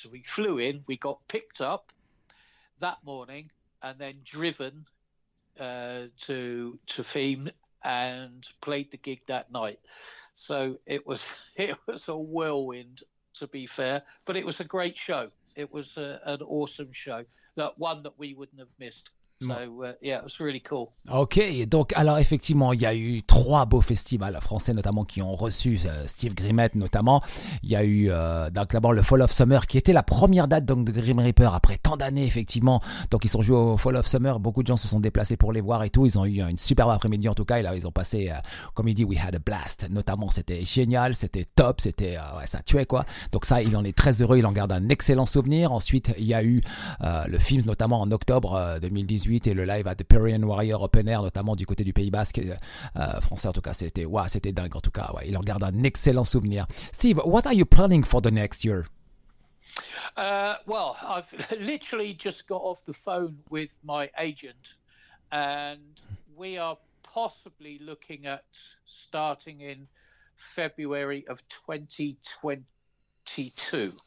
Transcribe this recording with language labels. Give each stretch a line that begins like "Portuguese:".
English: So we flew in, we got picked up that morning and then driven to Fiume and played the gig that night. So it was a whirlwind, to be fair, but it was a great show. It was an awesome show, that one that we wouldn't have missed. So, yeah, it was really cool.
French: Ok, donc alors effectivement, il y a eu 3 beaux festivals français notamment qui ont reçu Steve Grimmett notamment. Il y a eu donc d'abord le Fall of Summer qui était la première date donc de Grim Reaper après tant d'années effectivement. Donc ils sont joués au Fall of Summer, beaucoup de gens se sont déplacés pour les voir et tout. Ils ont eu une superbe après-midi en tout cas. Et là, ils ont passé, comme il dit,
English: we had a blast.
French: Notamment, c'était génial, c'était top, c'était ouais, ça tuait quoi. Donc ça, il en est très heureux, il en garde un excellent souvenir. Ensuite, il y a eu le Fiume notamment en octobre 2018. Et le live à The Pyrenean Warrior Open Air, notamment du côté du Pays Basque français. En tout cas, c'était waouh, c'était dingue. En tout cas, ouais, il en garde un excellent souvenir.
English: Steve, what are you planning for the next year? Well, I've literally just got off the phone with my agent, and we are possibly looking at starting in February of 2022.